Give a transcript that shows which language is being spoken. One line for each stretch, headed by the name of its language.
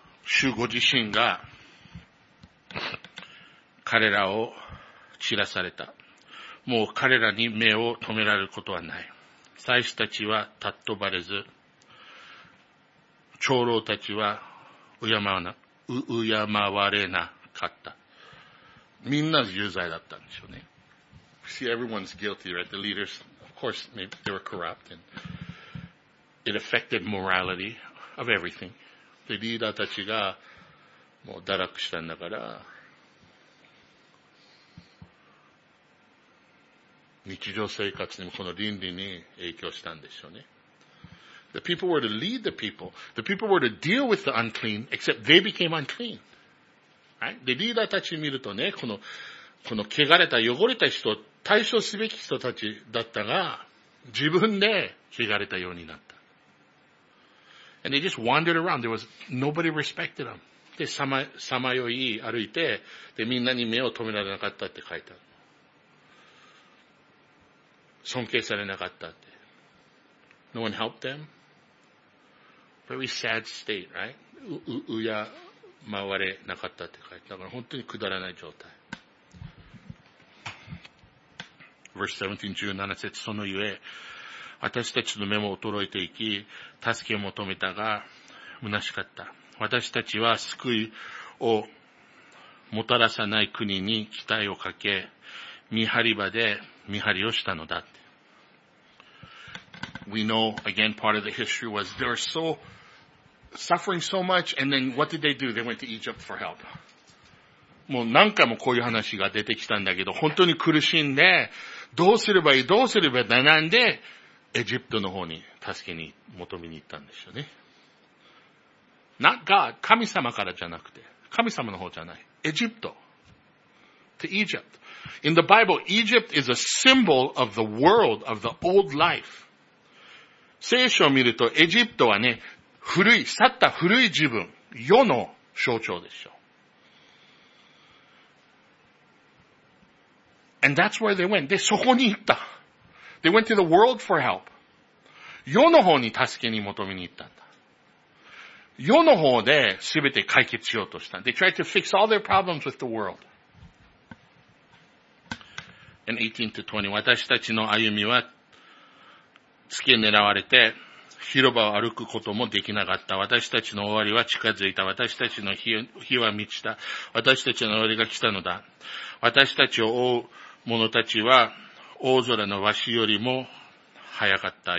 Japanese: 主ご自身が彼らを散らされた。もう彼らに目を止められることはない。祭司たちはたっ飛ばれず、長老たちは、敬われなかった。みんな有罪だったんでしょうね。
English: See, everyone's guilty, right? The leaders, of course, they were corrupt. And It affected morality of everything.
Japanese: で、リーダーたちがもう堕落したんだから、日常生活にもこの倫理に影響したんでしょうね。
English: The people were to lead the people. The people were to deal with the unclean, except they became unclean. Right?
Japanese: で、リーダーたち見るとね、この汚れた汚れた人、対処すべき人たちだったが、自分で汚れたようになった。
English: And they just wandered around. There was nobody respected them.
Japanese: で、さまよい歩いて、で、みんなに目を止められなかったって書いてある。尊敬されなかったって。
English: No one helped them. Very sad state, right?
Japanese: うやまわれなかったって書いてある。だから本当にくだらない状態。
English: Verse 17,
Japanese: 17節、そのゆえ、私たちの目も衰えていき、助けを求めたが、虚しかった。私たちは救いをもたらさない国に期待をかけ、見張り場で見張りをしたのだ。
English: We know, again, part of the history was they were so, suffering so much, and then what did they do? They went to Egypt for help.
Japanese: もう何回もこういう話が出てきたんだけど、本当に苦しんで、どうすればいい、どうすればいい、なんで、エジプトの方に助けに求めに行ったんでしょうね。
English: Not God,
Japanese: 神様からじゃなくて、神様の方じゃない。エジプト。
English: To Egypt. In the Bible, Egypt is a symbol of the world, of the old life.
Japanese: 聖書を見ると、エジプトはね、古い、去った古い自分、世の象徴でしょう。
English: And that's where they went. They
Japanese: そこに行った。
English: They went to the world for help.
Japanese: 世の方に助けに求めに行ったんだ。世の方で全て解決しようとしたんだ。
English: They tried to fix all their problems with the world.
Japanese: And 18 to 20, 私たちの歩みは、つけ狙われて、広場を歩くこともできなかった。私たちの終わりは近づいた。私たちの 日は満ちた。私たちの終わりが来たのだ。私たちを追う者たちは、大空のわしよりも早かった。